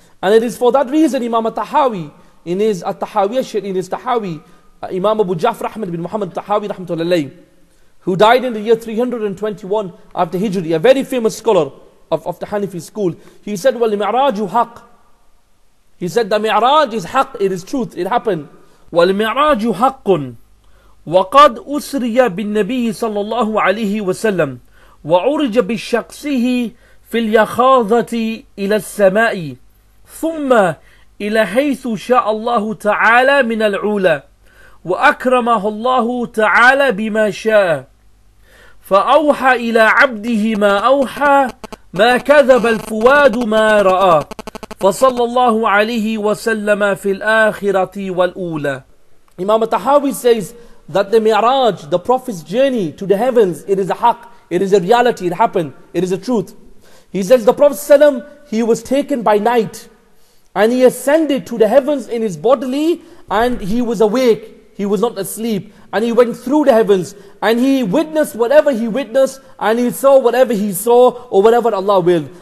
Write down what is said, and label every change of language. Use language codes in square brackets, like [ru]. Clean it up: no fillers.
[en] And it is for that reason Imam al-Tahawi, in his al-Tahawi, in his Tahawi, Imam Abu Ja'far Ahmad bin Muhammad al-Tahawi, rahmatullahi, who died in the year 321 after Hijri, a very famous scholar of the Hanafi school, he said, [ar] "Wal mi'raju haq." [en] He said, "The mi'raj is haq, it is truth, it happened." [ar] "Wal mi'raju haqqun. وقد أسري بالنبي صلى الله عليه وسلم وعرج بشخصه في اليخاضة إلى السماء ثم إلى حيث شاء الله تعالى من العلا وأكرمه الله تعالى بما شاء فأوحى إلى عبده ما أوحى ما كذب الفؤاد ما رأى فصلى الله عليه وسلم في الآخرة والأولى." [en] Imam al-Tahawi says that the Mi'raj, the Prophet's journey to the heavens, it is a haq, it is a reality, it happened, it is a truth. He says the Prophet ﷺ, he was taken by night and he ascended to the heavens in his bodily, and he was awake, he was not asleep, and he went through the heavens and he witnessed whatever he witnessed and he saw whatever he saw, or whatever Allah willed.